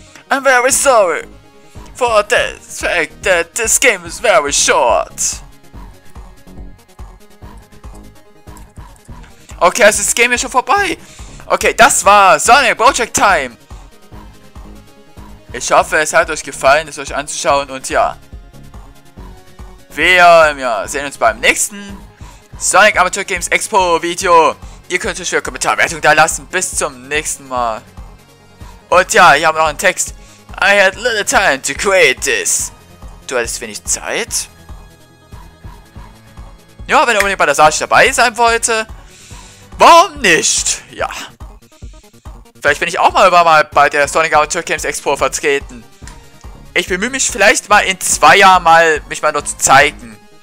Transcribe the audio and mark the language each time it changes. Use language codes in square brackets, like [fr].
[en] I'm very sorry for the fact that this game is very short. [de] Okay, also das Game ist schon vorbei. Okay, das war Sonic Project Time. Ich hoffe, es hat euch gefallen, es euch anzuschauen und ja. Wir sehen uns beim nächsten Sonic Amateur Games Expo Video. Ihr könnt euch für Kommentarwertung da lassen. Bis zum nächsten Mal. Und ja, hier haben wir noch einen Text. [en] I had little time to create this. [de] Du hattest wenig Zeit? Ja, wenn ihr unbedingt bei der Sage dabei sein wollte. Warum nicht? Ja. Vielleicht bin ich auch mal bei der Sonic Amateur Games Expo vertreten. Ich bemühe mich vielleicht mal in 2 Jahren mal, mich mal noch zu zeigen.